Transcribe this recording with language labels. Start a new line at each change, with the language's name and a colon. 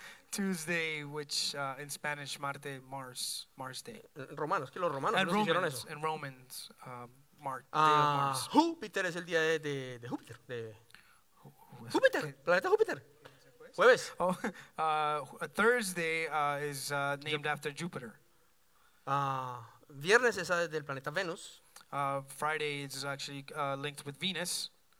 English: Tuesday, which in Spanish, Marte, Mars Day.
Spanish: Romanos, que los romanos
English: and
Spanish: no
English: Romans,
Spanish: hicieron eso.
English: And Romans, Day of Mars.
Spanish: Júpiter es el día de Júpiter. De Júpiter, planeta Júpiter. Jueves.
English: Thursday is named after Jupiter.
Spanish: Viernes es del planeta Venus.
English: Friday is actually linked with Venus.